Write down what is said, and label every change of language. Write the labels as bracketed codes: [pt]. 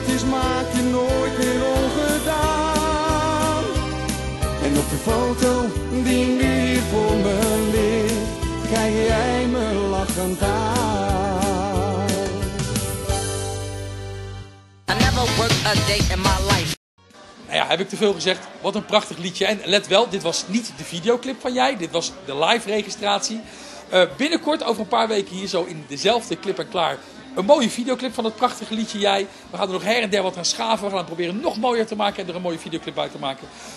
[nl] Maak je nooit meer ongedaan. En op de foto die nu hier voor me ligt, kijk jij me lachend aan. [en] I never worked a day in my life. [nl] Nou ja, heb ik te veel gezegd? Wat een prachtig liedje. En let wel, dit was niet de videoclip van jij, dit was de live registratie. Binnenkort, over een paar weken, hier zo in dezelfde clip en klaar. Een mooie videoclip van het prachtige liedje Jij. We gaan er nog her en der wat aan schaven. We gaan het proberen nog mooier te maken en er een mooie videoclip bij te maken.